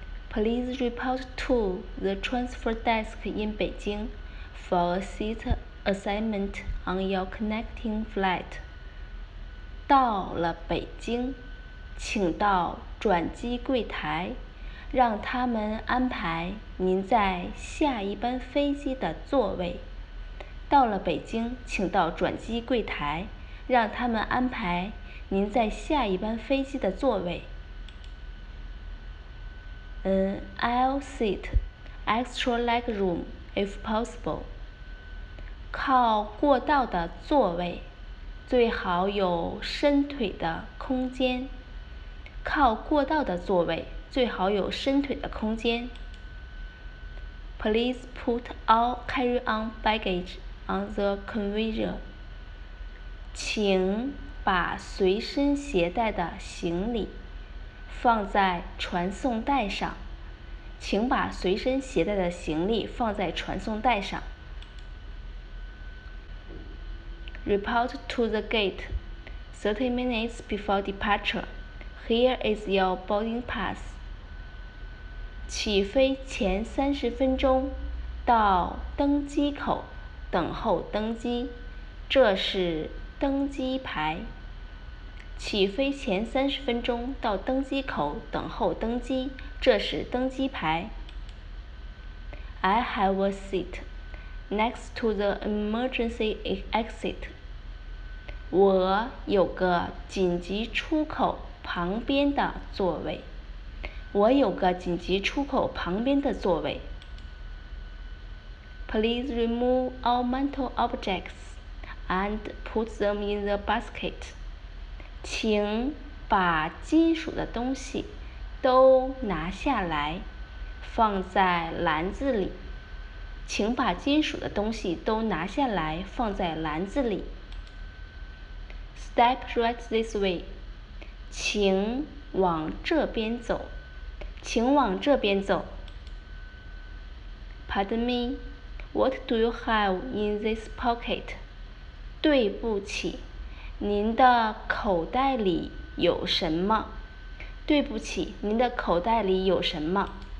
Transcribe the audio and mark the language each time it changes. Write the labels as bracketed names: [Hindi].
[English] Please report to the transfer desk in Beijing for a seat assignment on your connecting flight. [Chinese] 到了北京，请到转机柜台。让他们安排您在下一班飞机的座位。到了北京，请到转机柜台，让他们安排您在下一班飞机的座位。 [English] I'll sit extra leg room if possible. [Chinese] 靠过道的座位，最好有伸腿的空间。靠过道的座位。最好有伸腿的空间。 [English] Please put all carry-on baggage on the conveyor. [Chinese] 请把随身携带的行李放在传送带上。请把随身携带的行李放在传送带上。 [English] Report to the gate 30 minutes before departure. Here is your boarding pass. [Chinese] 起飞前30分钟到登机口等候登机，这是登机牌。起飞前30分钟到登机口等候登机，这是登机牌。 [English] I have a seat next to the emergency exit. [Chinese] 我有个紧急出口旁边的座位。我有个紧急出口旁边的座位。 [English] Please remove all mental objects and put them in the basket. [Chinese] 请把金属的东西都拿下来，放在篮子里。请把金属的东西都拿下来，放在篮子里。 [English] Step right this way. [Chinese] 请往这边走。请往这边走。 [English] Pardon me, what do you have in this pocket? [Chinese] 对不起，您的口袋里有什么？对不起，您的口袋里有什么？